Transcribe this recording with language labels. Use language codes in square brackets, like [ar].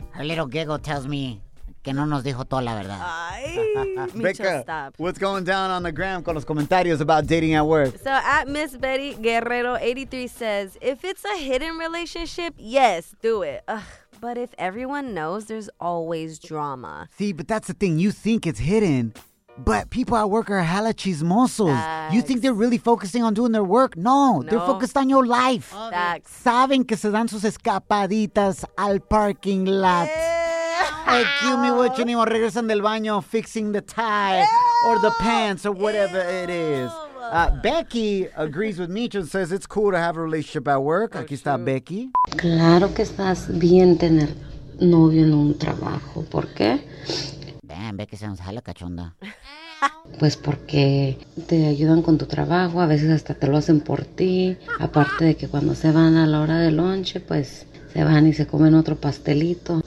[en] Her little giggle tells me [es] que no nos dijo toda la verdad. Ay. Micho, Becca, [en] stop. What's going down on the gram [es] con los comentarios [en] about dating at work? So at Miss Betty Guerrero 83 says, if it's a hidden relationship, yes, do it. Ugh. But if everyone knows, there's always drama. See, but that's the thing. You think it's hidden, but people at work are hella chismosos. You think they're really focusing on doing their work? No. They're focused on your life. Facts. [es] Saben que se dan sus escapaditas al parking lot. [en] Excuse me, what you need? [es] Regresan del baño, [en] fixing the tie or the pants or whatever it is. Becky agrees with Micho and says it's cool to have a relationship at work. [es] Aquí está Becky. Claro que estás bien tener novio en un trabajo. ¿Por qué? [en] Damn, Becky sounds hella cachonda. [es] Pues porque te ayudan con tu trabajo, a veces hasta te lo hacen por ti. Aparte de que cuando se van a la hora del lonche, pues se van y se comen otro pastelito.